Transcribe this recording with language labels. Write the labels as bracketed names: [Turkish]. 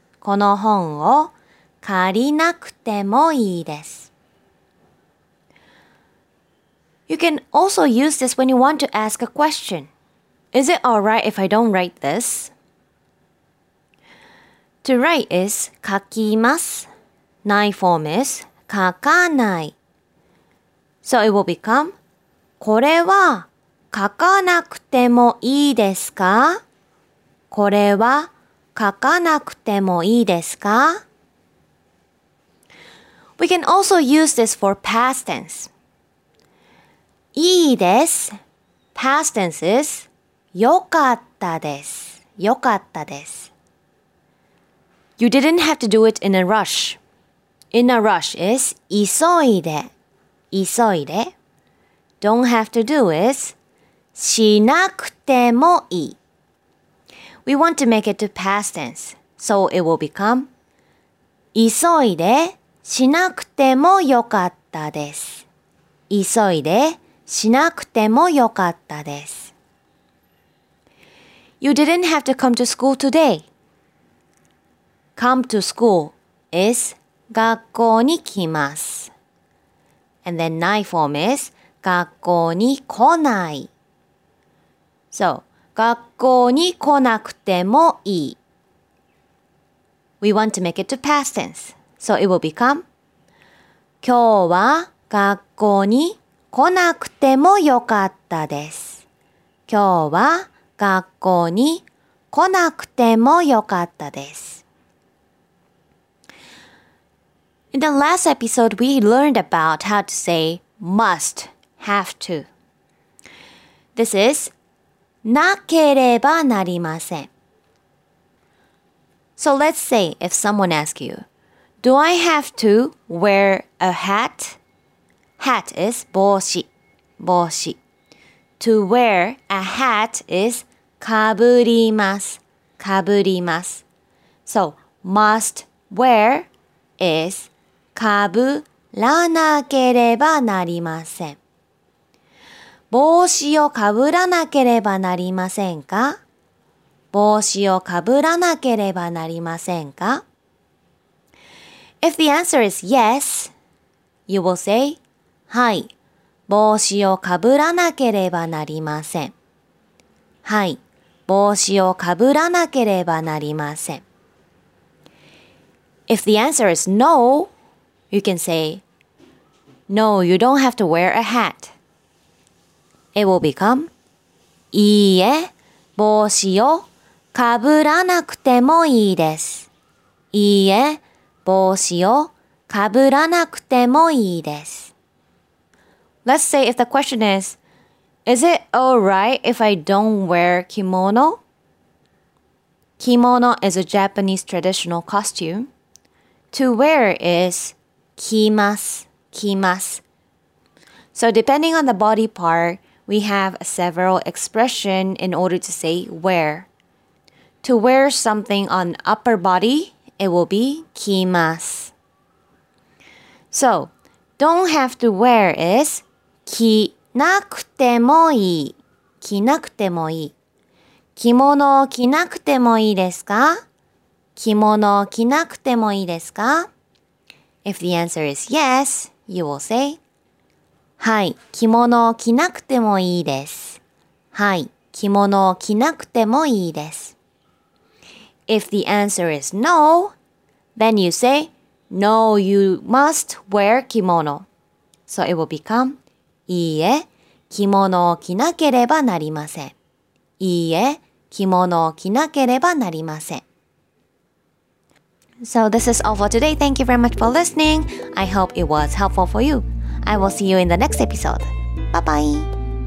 [Japanese] この本を借りなくてもいいです。 [English] You can also use this when you want to ask a question. Is it alright if I don't write this? To write is [Japanese] 書きます。 [English] ない form is [Japanese] 書かない。 [English] So it will become [Japanese] これは書かなくてもいいですか? これは書かなくてもいいですか? [English] We can also use this for past tense. [Japanese] いいです。 [English] Past tense is [Japanese] よかったです。よかったです。 [English] You didn't have to do it in a rush. In a rush is [Japanese] 急いで。急いで。 [English] Don't have to do is [Japanese] しなくてもいい。 [English] We want to make it to past tense, so it will become [Japanese] 急いでしなくてもよかったです。急いでしなくてもよかったです。 [English] You didn't have to come to school today. Come to school is [Japanese] 学校に来ます。 [English] And then ない form is [Japanese] 学校に来ない。 So, 学校に来なくてもいい。 [English] We want to make it to past tense. So it will become [Japanese] 今日は学校に来なくてもよかったです。今日は学校に来なくてもよかったです。 [English] In the last episode, we learned about how to say must, have to. This is [Japanese] なければなりません。 [English] So let's say if someone asks you, Do I have to wear a hat? Hat is [Japanese] 帽子。帽子。 [English] To wear a hat is [Japanese] かぶります。かぶります。 [English] So must wear is [Japanese] かぶらなければなりません。帽子をかぶらなければなりませんか?帽子をかぶらなければなりませんか? [English] If the answer is yes, you will say, [Japanese] はい、帽子をかぶらなければなりません。はい、帽子をかぶらなければなりません。 [English] If the answer is no, you can say, No, you don't have to wear a hat. It will become, [Japanese] いいえ、帽子をかぶらなくてもいいです。いいえ、帽子をかぶらなくてもいいです。 [English] Let's say if the question is, Is it alright if I don't wear kimono? Kimono is a Japanese traditional costume. To wear is [Japanese] 着ます。 [English] So depending on the body part, we have several expressions in order to say wear. To wear something on upper body, it will be [Japanese] 着ます。 [English] So, don't have to wear is [Japanese] 着なくてもいい。着物を着なくてもいいですか?着物を着なくてもいいですか? [English] If the answer is yes, you will say, [Japanese] はい、着物を着なくてもいいです。はい、着物を着なくてもいいです。 [English] If the answer is no, then you say, No, you must wear kimono. So it will become, [Japanese] いいえ、着物を着なければなりません。いいえ、着物を着なければなりません。 [English] So this is all for today. Thank you very much for listening. I hope it was helpful for you. I will see you in the next episode. Bye-bye.